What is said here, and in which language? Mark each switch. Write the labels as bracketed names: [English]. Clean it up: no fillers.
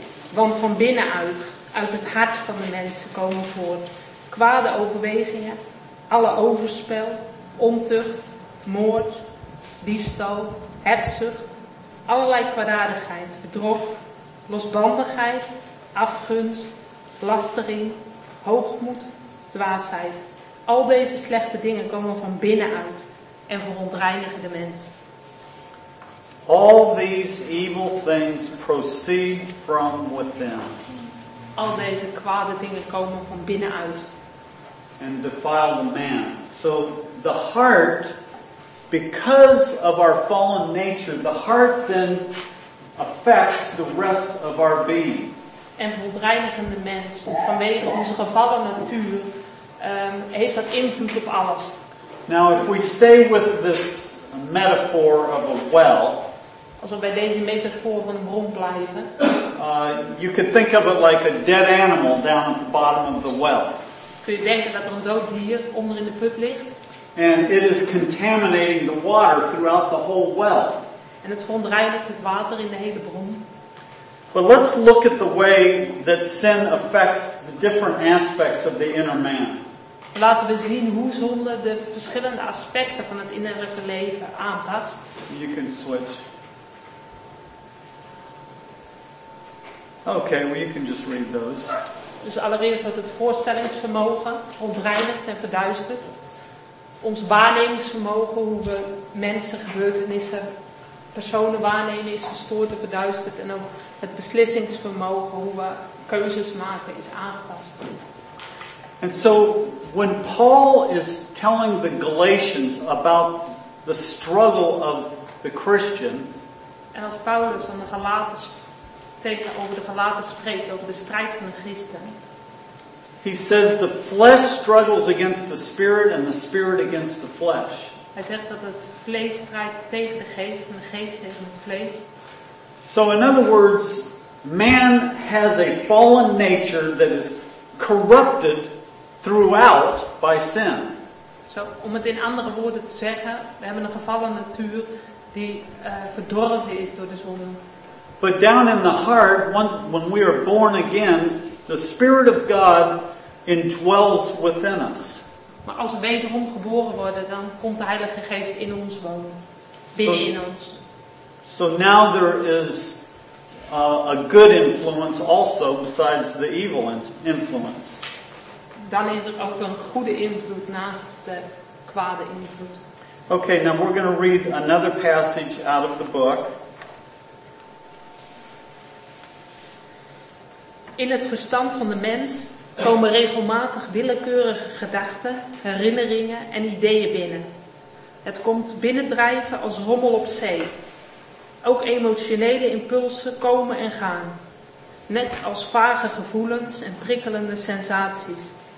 [Dutch] Want van binnenuit, uit het hart van de mens, komen voort kwade overwegingen, alle overspel, ontucht, moord, diefstal, hebzucht, allerlei kwaadaardigheid, bedrog, losbandigheid, afgunst, lastering, hoogmoed, dwaasheid. Al deze slechte dingen komen van binnenuit en verontreinigen de mens. [English] All these evil things proceed from within. [Dutch] Al deze kwade dingen komen van binnenuit. [English] And defile the man. So the heart, because of our fallen nature, the heart then affects the rest of our being. [Dutch] En verontreinigen de mens, vanwege onze gevallen natuur, heeft dat invloed op alles. [English] Now if we stay with this metaphor of a well, [Dutch] als we bij deze metafoor van een bron blijven. [English] You could think of it like a dead animal down at the bottom of the well. [Dutch] Kun je denken dat er een dood dier onder in de put ligt? [English] And it is contaminating the water throughout the whole well. [Dutch] En het verontreinigt het water in de hele bron. [English] But let's look at the way that sin affects the different aspects of the inner man. [Dutch] Laten we zien hoe zonde de verschillende aspecten van het innerlijke leven aanpast. [English] You can switch. Okay, well you can just read those. [Dutch] Dus allereerst dat het voorstellingsvermogen verontreinigt en verduistert. Ons waarnemingsvermogen, hoe we mensen, gebeurtenissen, personen waarnemen, is verstoord en verduisterd. En ook het beslissingsvermogen, hoe we keuzes maken, is aangepast. [English] And so when Paul is telling the Galatians about the struggle of the Christian. [Dutch] En als Paulus van de Galaten spreekt over de Galaten spreekt, over de strijd van de Christen. [English] He says the flesh struggles against the spirit and the spirit against the flesh. [Dutch] Hij zegt dat het vlees strijdt tegen de geest en de geest tegen het vlees. [English] So in other words, man has a fallen nature that is corrupted throughout by sin. [Dutch] Zo, om het in andere woorden te zeggen, we hebben een gevallen natuur die verdorven is door de zonde. [English] But down in the heart, when we are born again, the Spirit of God indwells within us. [Dutch] Maar als we wederom geboren worden, dan komt de Heilige Geest in ons wonen, binnen in ons. [English] So now there is a good influence also besides the evil influence. [Dutch] Dan is er ook een goede invloed naast de kwade invloed. [English] Okay, now we're going to read another passage out of the book. [Dutch] In het verstand van de mens komen regelmatig willekeurige gedachten, herinneringen en ideeën binnen. Het komt binnendrijven als rommel op zee. Ook emotionele impulsen komen en gaan, net als vage gevoelens en prikkelende sensaties.